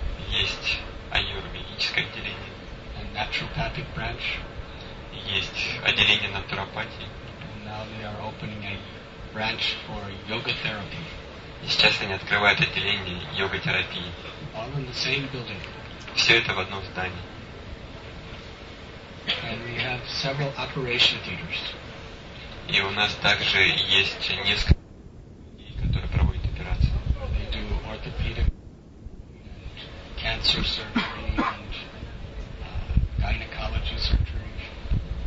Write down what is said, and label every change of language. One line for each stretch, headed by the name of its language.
Russian: Есть аюрведическое отделение.
English: And naturopathic branch.
Russian: Есть отделение натуропатии.
English: And now they are opening a branch for yoga therapy.
Russian: И сейчас они открывают отделение йога-терапии.
English: All in the same building.
Russian: Все это в одном здании.
English: And we have several operation theaters.
Russian: И у нас также есть несколько людей, которые проводят операции.
English: They do orthopedic and cancer surgery and gynecology surgery.